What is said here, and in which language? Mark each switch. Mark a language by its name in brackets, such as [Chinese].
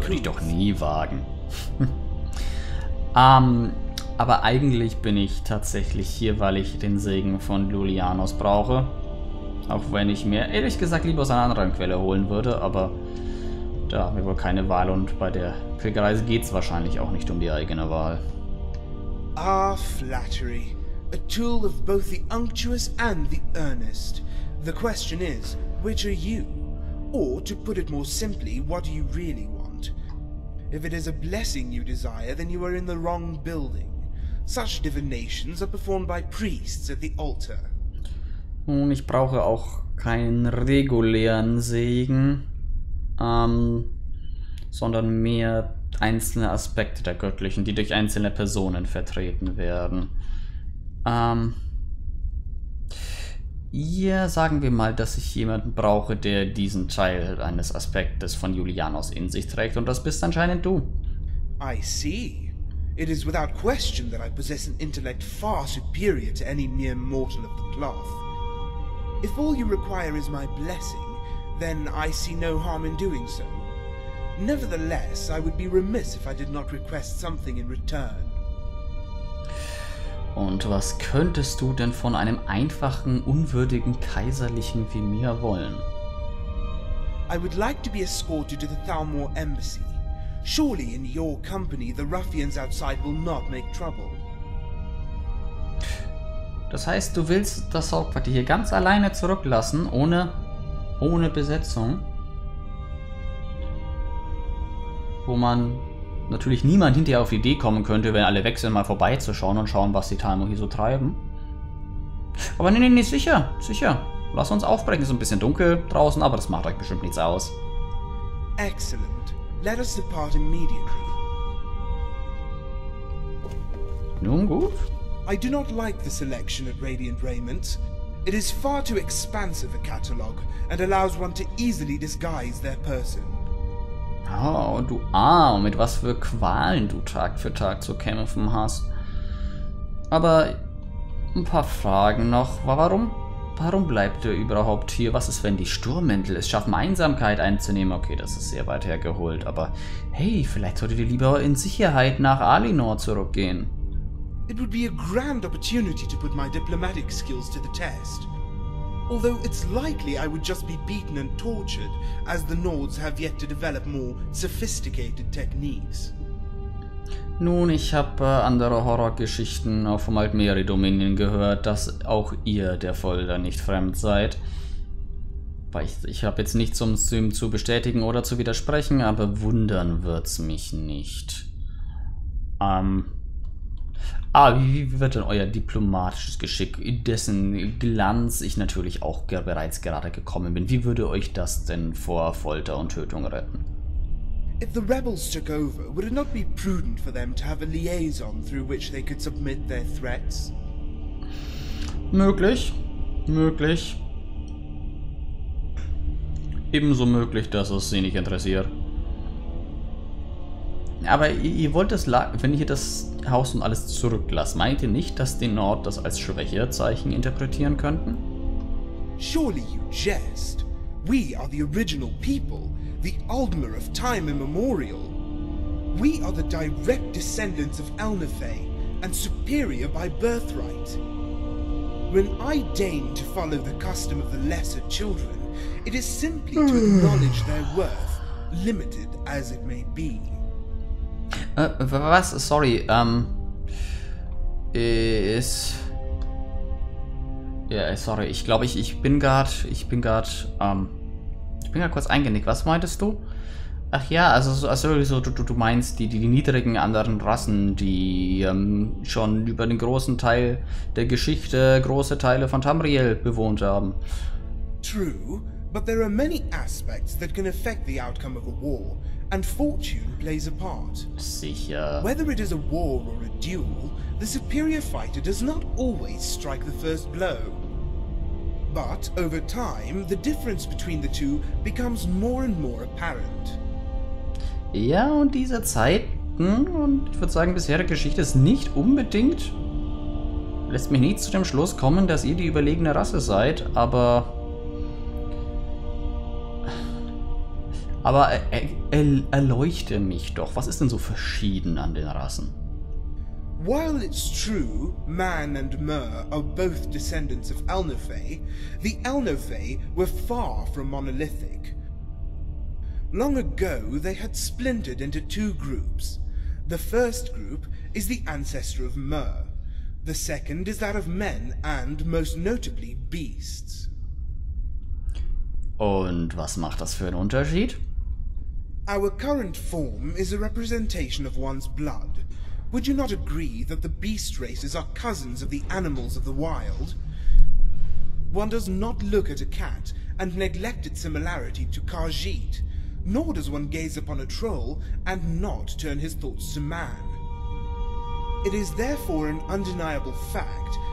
[German] Würde ich doch nie wagen. aber eigentlich bin ich tatsächlich hier, weil ich den Segen von Lulianos brauche. Auch wenn ich mir ehrlich gesagt lieber aus einer anderen Quelle holen würde, aber da haben wir wohl keine Wahl und bei der Kriegerreise geht's wahrscheinlich auch nicht um die eigene Wahl. [English] Ah, flattery. A tool of both the unctuous and the earnest. The question is, which are you? Or, to put it more simply, what do you really want? If it is a blessing you desire, then you are in the wrong building. Such divinations are performed by priests at the altar. [German] Nun, ich brauche auch keinen regulären Segen. Sondern mehr einzelne Aspekte der Göttlichen, die durch einzelne Personen vertreten werden. Ja, sagen wir mal, dass ich jemanden brauche, der diesen Teil eines Aspektes von Julianos in sich trägt, und das bist anscheinend du. [English] I see. It is without question that I possess an intellect far superior to any mere mortal of the cloth. If all you require is my blessing, then I see no harm in doing so. Nevertheless, I would be remiss if I did not request something in return. [German] Und was könntest du denn von einem einfachen, unwürdigen Kaiserlichen wie mir wollen? [English] I would like to be escorted to the Thalmor Embassy. Surely in your company the ruffians outside will not make trouble. [German] Das heißt, du willst das Hauptquartier hier ganz alleine zurücklassen, ohne Besetzung? Wo man natürlich niemand hinterher auf die Idee kommen könnte, wenn alle weg sind, mal vorbeizuschauen und schauen, was die Thalmor hier so treiben. Aber nee, sicher. Lass uns aufbrechen, ist ein bisschen dunkel draußen, aber das macht euch bestimmt nichts aus. [English] Excellent. Let us depart immediately. [German] Nun gut. [English] I do not like the selection at Radiant Raiment. It is far too expansive a catalog and allows one to easily disguise their person. [German] Oh, du Arm, mit was für Qualen du Tag für Tag zu kämpfen hast. Aber ein paar Fragen noch. Warum bleibt ihr überhaupt hier? Was ist, wenn die Sturmmäntel es schaffen, Einsamkeit einzunehmen? Okay, das ist sehr weit hergeholt, aber hey, vielleicht solltet ihr lieber in Sicherheit nach Alinor zurückgehen. [English] It would be a grand opportunity to put my diplomatic skills to the test. Although it's likely I would just be beaten and tortured, as the Nords have yet to develop more sophisticated techniques. [German] Nun, ich habe andere Horrorgeschichten auch vom Altmeri-Dominion gehört, dass auch ihr der Folter nicht fremd seid. Weil ich habe jetzt nichts, um es zu bestätigen oder zu widersprechen, aber wundern wird's mich nicht. Wie wird denn euer diplomatisches Geschick, in dessen Glanz ich natürlich auch bereits gerade gekommen bin, wie würde euch das denn vor Folter und Tötung retten? [English] If the rebels took over, would it not be prudent for them to have a liaison through which they could submit their threats? [German] Möglich. Ebenso möglich, dass es sie nicht interessiert. Aber ihr wollt das, wenn ihr das Haus und alles zurücklasst, meint ihr nicht, dass die Nord das als Schwächezeichen interpretieren könnten? [English] Surely you jest. We are the original people, the Aldmer of time immemorial. We are the direct descendants of Elnathay and superior by birthright. When I deign to follow the custom of the lesser children, it is simply to acknowledge their worth, limited as it may be. [German] Ich bin gerade kurz eingenickt. Was meintest du? Ach ja, du meinst die niedrigen anderen Rassen, die schon über den großen Teil der Geschichte große Teile von Tamriel bewohnt haben. [English] True, but there are many aspects that can affect the outcome of a war. And fortune plays a part. [German] Sicher. [English] Whether it is a war or a duel, the superior fighter does not always strike the first blow. But over time, the difference between the two becomes more and more apparent. [German] Ja, und diese Zeiten und ich würde sagen, bisherige Geschichte ist nicht unbedingt lässt mich nicht zu dem Schluss kommen, dass ihr die überlegene Rasse seid, aber. Aber erleuchte mich doch. Was ist denn so verschieden an den Rassen? [English] While it's true, man and Myr are both descendants of Elnathay, the Elnathay were far from monolithic. Long ago, they had splintered into two groups. The first group is the ancestor of Myr. The second is that of men and, most notably, beasts. [German] Und was macht das für einen Unterschied? [English] Our current form is a representation of one's blood. Would you not agree that the beast races are cousins of the animals of the wild? One does not look at a cat and neglect its similarity to Khajiit, nor does one gaze upon a troll and not turn his thoughts to man. It is therefore an undeniable fact